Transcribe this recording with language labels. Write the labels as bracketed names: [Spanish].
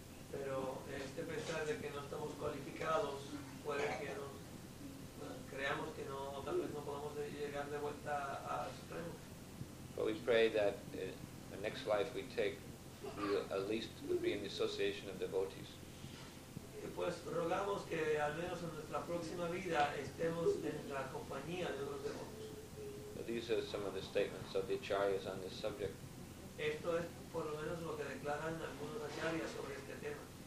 [Spanish] Pero este pensar de que no estamos cualificados puede que no creamos que no, tal vez no podamos llegar de vuelta al Supremo. [English] But we pray that in the next life we take, we at least would be in the association of devotees. [Spanish] Y pues rogamos que al menos en nuestra próxima vida estemos en la compañía de los devotos. [English] So these are some of the statements of the acharyas on this subject. [Spanish] Esto es por lo menos lo que declaran algunos acharyas sobre este tema.